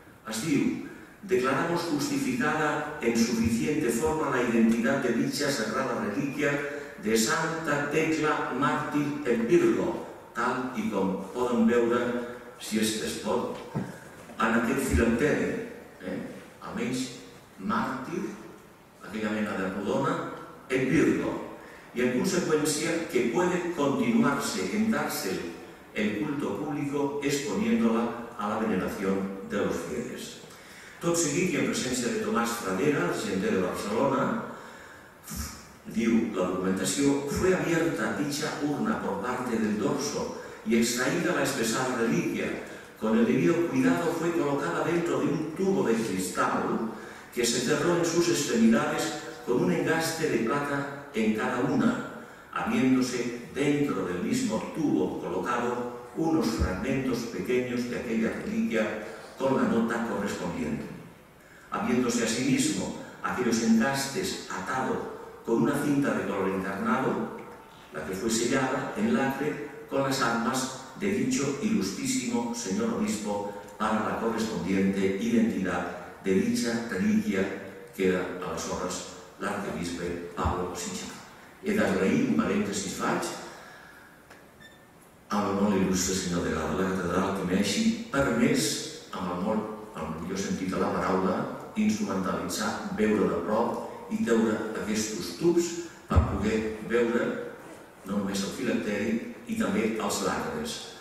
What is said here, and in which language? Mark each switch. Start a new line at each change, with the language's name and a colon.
Catalan: Es diu:
Spanish: declaramos justificada en suficiente forma la identidad de dicha sagrada reliquia de Santa Tecla Mártir en Virgo,
Catalan: tal i com poden veure, si és que es pot, en aquest filanteri. Almenys màrtir, aquella mena de rodona, en Virgo. I en conseqüència,
Spanish: que puede continuarse en darse el culto público exponiéndola a la veneración de los fieles.
Catalan: Tot seguit, en presència de Tomàs Pradera, regidor de Barcelona, diu la documentació,
Spanish: fue abierta dicha urna por parte del dorso y extraída la espesada reliquia. Con el debido cuidado fue colocada dentro de un tubo de cristal que se cerró en sus extremidades con un engaste de plata en cada una, habiéndose dentro del mismo tubo colocado unos fragmentos pequeños de aquella reliquia con la nota correspondiente. Habiéndose asimismo aquellos engastes atado con una cinta de color encarnado, la que fue sellada en lacre con las armas de dicho ilustrísimo señor obispo para la correspondiente identidad de dicha reliquia que era a las horas l'arquebisbe Pablo Sitxar.
Catalan: He d'agrair un parèntesis faig a la molt il·lustre senyor de Gala de la Catedral que m'hagi permès, amb el molt, amb el millor sentit de la paraula, instrumentalitzar, veure de prop i treure aquests tubs per poder veure no només el filacteri i també els lagres.